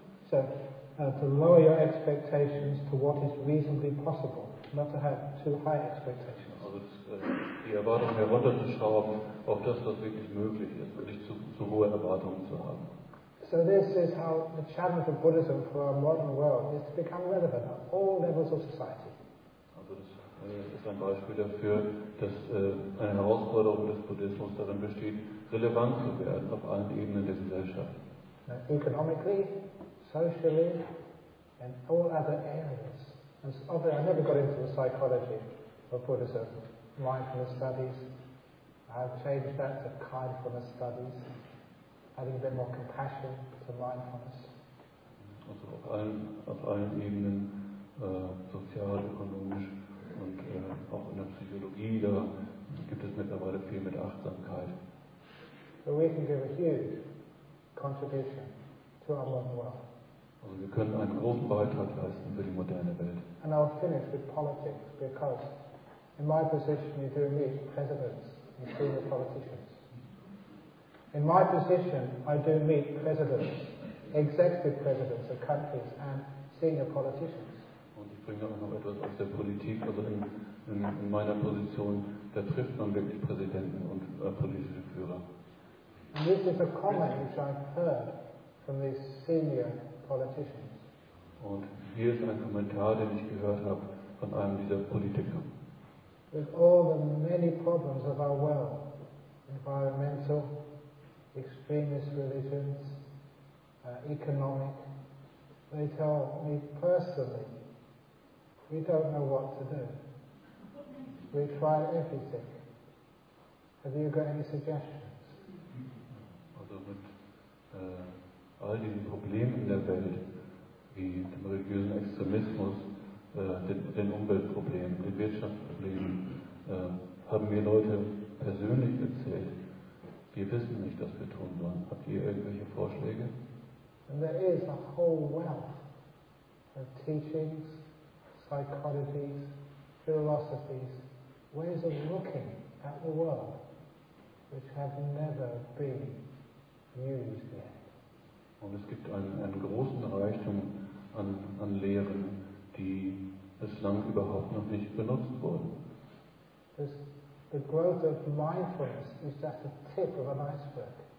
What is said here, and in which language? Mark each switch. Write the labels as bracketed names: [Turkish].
[English] So, to lower your expectations to what is reasonably possible, not to have too high expectations. [German] Also die Erwartungen herunterzuschrauben auf das, was wirklich möglich ist, wirklich zu hohe Erwartungen zu haben. [English] So this is how the challenge of Buddhism for our modern world is to become relevant at all levels of society. [German] Also das ist ein Beispiel dafür, dass eine Herausforderung des Buddhismus darin besteht, relevant zu werden auf allen Ebenen der Gesellschaft. [English] Economically, socially, and all other areas. And obviously, I never got into the psychology of Buddhism. Mindfulness studies. I have changed that to kindfulness studies, adding a bit more compassion to mindfulness. [German] Also auf allen Ebenen, sozial, ökonomisch und auch in der Psychologie, da gibt es mittlerweile viel mit Achtsamkeit. [English] So we can give a huge contribution to our modern world. [German] Also wir können einen großen Beitrag leisten für die moderne Welt. [English] And I'll finish with politics, because in my position you do meet presidents and senior politicians. In my position I do meet presidents, executive presidents of countries and senior politicians. [German] Und ich bringe auch noch etwas aus der Politik, also in meiner Position, da trifft man wirklich Präsidenten und politische Führer. [English] And this is a comment which I've heard from these senior politicians. [German] Und hier ist ein Kommentar, den ich gehört habe von einem dieser Politiker. [English] With all the many problems of our world, environmental, extremist religions, economic, they tell me personally, we don't know what to do. We try everything. Have you got any suggestions? [German] Also mit all diesen Problemen in der Welt, wie dem religiösen Extremismus, den Umweltproblemen, den Wirtschaftsproblemen, haben mir Leute persönlich erzählt, wir wissen nicht, was wir tun sollen. Habt ihr irgendwelche Vorschläge? [English] And there is a whole wealth of teachings, psychologies, philosophies, ways of looking at the world which have never been used yet. [German] Und es gibt einen großen Reichtum an Lehren, die bislang überhaupt noch nicht benutzt wurden. [English] The growth of mindfulness is just the tip of an iceberg.